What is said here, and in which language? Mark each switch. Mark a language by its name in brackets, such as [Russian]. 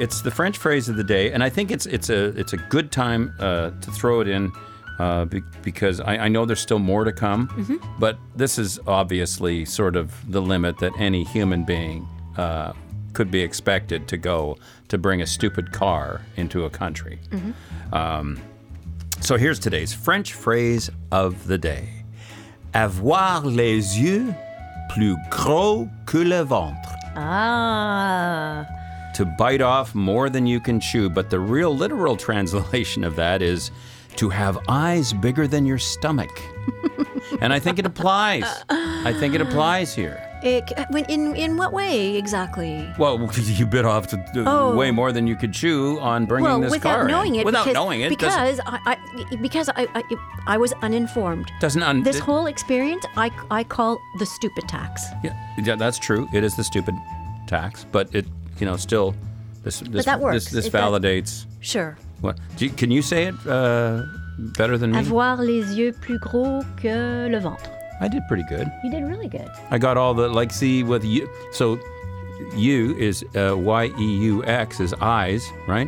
[English] It's the French phrase of the day, and I think it's a good time to throw it in because I know there's still more to come, mm-hmm. but this is obviously sort of the limit that any human being could be expected to go to bring a stupid car into a country. Mm-hmm. So here's today's French phrase of the day. [French] Avoir les yeux plus gros que le ventre. Ah. [English] To bite off more than you can chew. But the real literal translation of that is to have eyes bigger than your stomach. And I think it applies. I think it applies here. In what way exactly? Well, you bit off way more than you could chew on bringing this car. Well, without knowing it. Without knowing it. Because I was uninformed. This whole experience, I call the stupid tax. Yeah, that's true. It is the stupid tax. But it, you know, still... This, but that works. This validates... That, sure. What, can you say it better than me? [French] Avoir les yeux plus gros que le ventre. [English] I did pretty good. You did really good. I got all the, like, see, with you. So, you is Y-E-U-X is eyes, right?